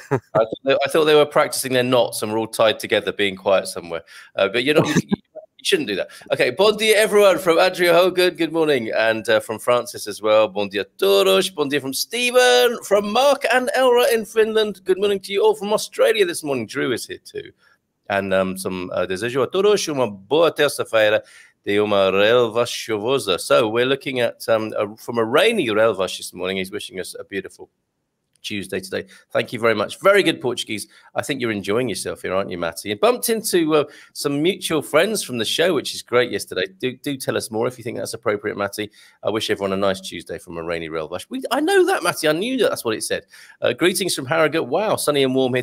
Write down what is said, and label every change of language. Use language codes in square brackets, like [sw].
[en] I thought they were practicing their knots and were all tied together, being quiet somewhere. But you know, shouldn't do that. Okay, [pt] bon dia, [en] everyone, from Andrea Hogan. Good morning. And from Francis as well. [pt] Bon dia, [en] Torosh. Bon dia from Stephen, from Mark and Elra in Finland. Good morning to you all from Australia this morning. Drew is here too. [pt] And desejo a todos uma boa terça-feira de uma relva chuvosa. [en] So we're looking at from a rainy relva this morning. He's wishing us a beautiful Tuesday today. Thank you very much. Very good Portuguese. I think you're enjoying yourself here, aren't you, Matty? You bumped into some mutual friends from the show, which is great yesterday. Do tell us more if you think that's appropriate, Matty. I wish everyone a nice Tuesday from a rainy relva. I know that, Matty. I knew that's what it said. Greetings from Harrogate. Wow, sunny and warm here.